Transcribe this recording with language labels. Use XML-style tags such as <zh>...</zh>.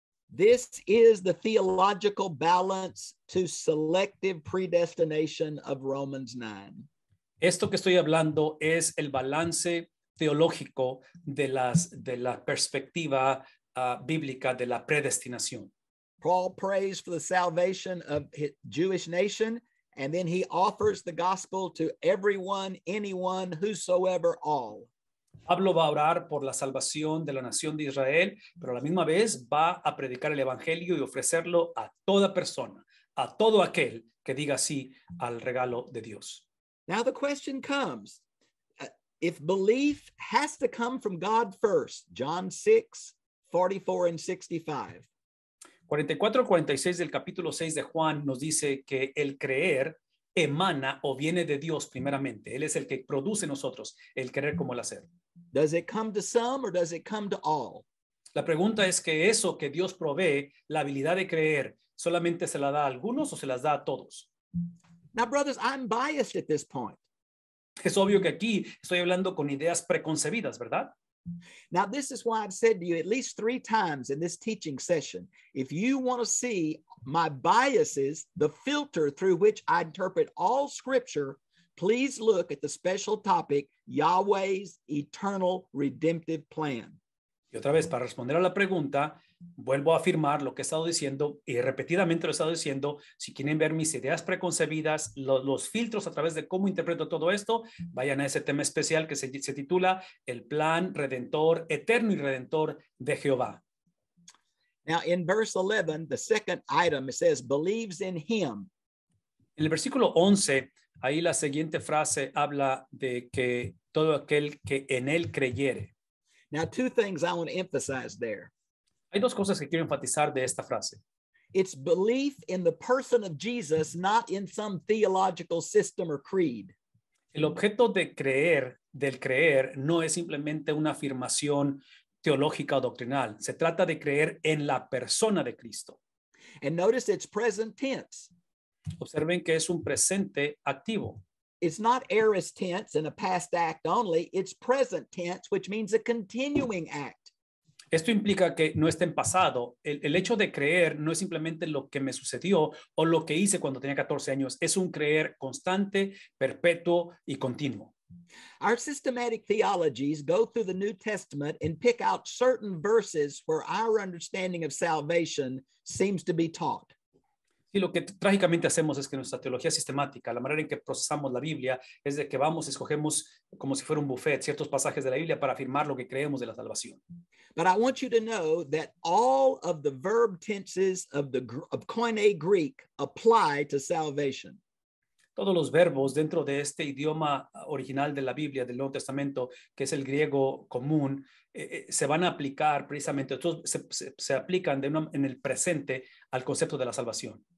<en>This is the theological balance to selective predestination of Romans 9.</en> <es>Esto que estoy hablando es el balance teológico de la perspectiva bíblica de la predestinación.</es> <en>Paul prays for the salvation of his Jewish nation, and then he offers the gospel to everyone, anyone, whosoever, all.</en> <es>Pablo va a orar por la salvación de la nación de Israel, pero a la misma vez va a predicar el evangelio y ofrecerlo a toda persona, a todo aquel que diga sí al regalo de Dios.</es> <en>Now the question comes, if belief has to come from God first, John 6, 44 and 65.</en> <es>44 al 46 del capítulo 6 de Juan nos dice que el creer emana o viene de Dios primeramente. Él es el que produce en nosotros el querer como el hacer.</es> <en>Does it come to some or does it come to all?</en> <es>La pregunta es que eso que Dios provee, la habilidad de creer, ¿solamente se la da a algunos o se las da a todos?</es> <en>Now, brothers, I'm biased at this point.</en> <es>Es obvio que aquí estoy hablando con ideas preconcebidas, ¿verdad?</es> <en>Now, this is why I've said to you at least three times in this teaching session, if you want to see my biases, the filter through which I interpret all scripture, please look at the special topic, Yahweh's eternal redemptive plan.</en> <es>Y otra vez, para responder a la pregunta, vuelvo a afirmar lo que he estado diciendo y repetidamente lo he estado diciendo. Si quieren ver mis ideas preconcebidas, los filtros a través de cómo interpreto todo esto, vayan a ese tema especial que se titula El Plan Redentor, Eterno y Redentor de Jehová.</es> <en>Now, in verse 11, the second item, it says, believes in him.</en> <es>En el versículo 11, ahí la siguiente frase habla de que todo aquel que en él creyere.</es> <en>Now, two things I want to emphasize there.</en> <es>Hay dos cosas que quiero enfatizar de esta frase.</es> <en>It's belief in the person of Jesus, not in some theological system or creed.</en> <es>El objeto de creer, del creer, no es simplemente una afirmación teológica o doctrinal. Se trata de creer en la persona de Cristo.</es> <en>And notice it's present tense.</en> <es>Observen que es un presente activo.</es> <en>It's not aorist tense and a past act only. It's present tense, which means a continuing act.</en> <es>Esto implica que no está en pasado. El hecho de creer no es simplemente lo que me sucedió o lo que hice cuando tenía 14 años. Es un creer constante, perpetuo y continuo.</es> <en>Our systematic theologies go through the New Testament and pick out certain verses where our understanding of salvation seems to be taught.</en> <es>Y lo que trágicamente hacemos es que nuestra teología sistemática, la manera en que procesamos la Biblia, es de que vamos, escogemos como si fuera un buffet ciertos pasajes de la Biblia para afirmar lo que creemos de la salvación.</es> <en>But I want you to know that all of the verb tenses of Koine Greek apply to salvation.</en> <es>Todos los verbos dentro de este idioma original de la Biblia, del Nuevo Testamento, que es el griego común, se van a aplicar precisamente, se aplican en el presente al concepto de la salvación.</es>